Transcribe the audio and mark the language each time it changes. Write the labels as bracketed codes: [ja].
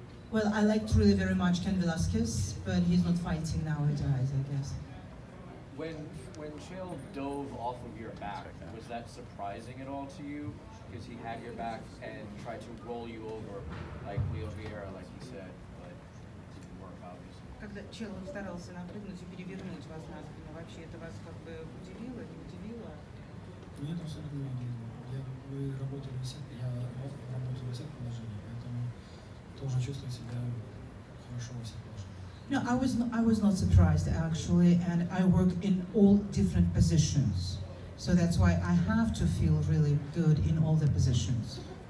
[en] Well, I liked really very much Ken Velasquez, but he's not fighting nowadays, I guess. When Chael dove off of your back, was that surprising at all to you? Because he had your back and tried to roll you over, like Leo Vieira, like he said, but it didn't work, obviously. [ru] Когда Чел старался напрыгнуть и перевернуть вас на спину, вообще это вас как бы удивило, не удивило? Нет, абсолютно не удивило. Мы работали все, я работал во всех положениях, поэтому тоже чувствую себя хорошо во всех положениях. [en] No, I was not surprised actually, and I work in all different positions. So that's why I have to feel really good in all the positions.